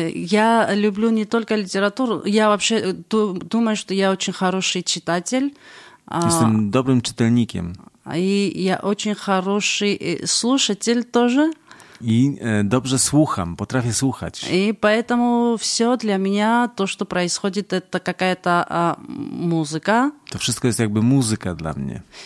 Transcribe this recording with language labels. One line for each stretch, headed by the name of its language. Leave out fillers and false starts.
Polish: Ja lubię nie tylko literaturę.
Russian: Ja вообще думаю, что я очень хороший читатель.
Polish: Jestem dobrym czytelnikiem.
Russian: I ja очень хороший слушатель тоже.
Polish: I dobrze słucham, potrafię słuchać.
Russian: I поэтому все для меня то, что происходит, это какая-то музыка.
Polish: To wszystko jest jakby muzyka dla mnie.